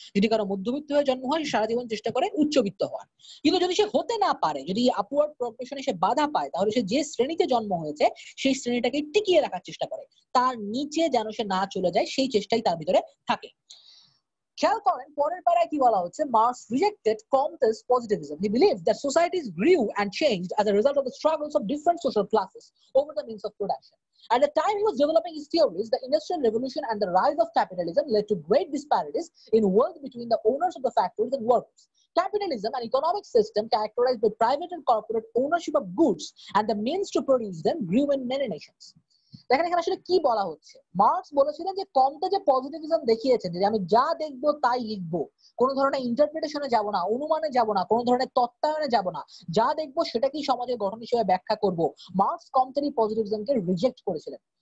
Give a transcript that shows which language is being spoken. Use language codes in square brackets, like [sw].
[bn] যদি কারো মধ্যবিত্ত হয়ে জন্ম হয়, সে সারা জীবন চেষ্টা করে উচ্চবিত্ত হওয়ার। কিন্তু যদি সে হতে না পারে, যদি আপওয়ার্ড প্রোগ্রেশনে সে বাধা পায়, তাহলে সে যে শ্রেণীতে জন্ম হয়েছে সেই শ্রেণীটাকে টিকিয়ে রাখার চেষ্টা করে, তার নিচে যেন সে না চলে যায়, সেই চেষ্টাই তার ভিতরে থাকে। খেয়াল করেন পরের পারায় কি বলা হচ্ছে, [en] Marx rejected Comte's positivism, he believe that societies grew and changed as a result of the struggles of different social classes over the means of production. At the time he was developing his theories, the Industrial Revolution and the rise of capitalism led to great disparities in wealth between the owners of the factories and workers. Capitalism, an economic system characterized by private and corporate ownership of goods and the means to produce them, grew in many nations. [bn] দেখেন এখানে আসলে কি বলা হচ্ছে, marks বলেছিলেন যে কমতে যে পজিটিভিজম দেখিয়েছেন, যে আমি যা দেখবো তাই লিখবো, কোনো ধরনের ইন্টারপ্রিটেশনে যাবো না, অনুমানে যাবো না, কোনো ধরনের তত্ত্বায়নে যাবো না, যা দেখবো সেটাকেই সমাজের গঠন হিসেবে ব্যাখ্যা করবো, মার্কস কমতেরই পজিটিভিজমকে রিজেক্ট করেছিলেন।